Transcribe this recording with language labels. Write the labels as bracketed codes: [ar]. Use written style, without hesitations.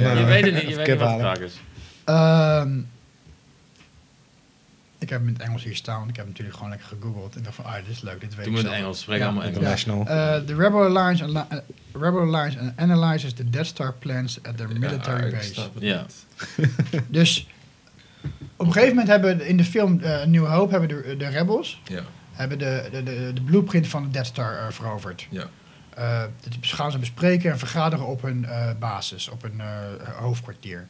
[nl] Je weet het niet, je weet niet wat de vraag is. Ik heb hem in het Engels hier staan, want ik heb hem natuurlijk gewoon lekker gegoogeld. En dacht van, dit is leuk, dit weet ik zelf. Doe me in Engels, spreek allemaal international. [en] The Rebel Alliance, Rebel Alliance analyzes the Death Star plans at their military base. [nl] Ja. Dus... Op een gegeven moment hebben in de film New Hope hebben de rebels hebben de blueprint van de Death Star veroverd. [en] Yeah. [nl] Dat gaan ze bespreken en vergaderen op hun basis, op hun hoofdkwartier.